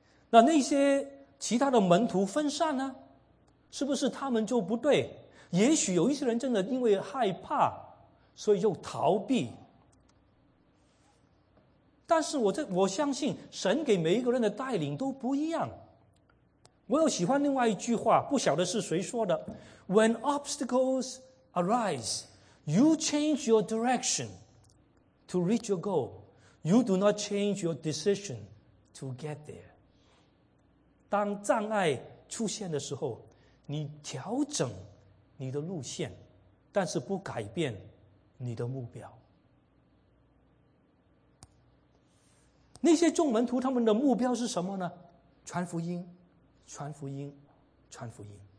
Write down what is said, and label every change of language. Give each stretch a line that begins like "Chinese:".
Chinese: 那些其他的门徒分散呢，是不是他们就不对？也许有一些人真的因为害怕，所以就逃避。但是我相信神给每一个人的带领都不一样。我又喜欢另外一句话，不晓得是谁说的，
English: When obstacles arise, you change your direction to reach your goal. You do not change your decision to get there.
Chinese: 当障碍出现的时候，你调整你的路线，但是不改变你的目标。那些众门徒他们的目标是什么呢？传福音，传福音，传福音。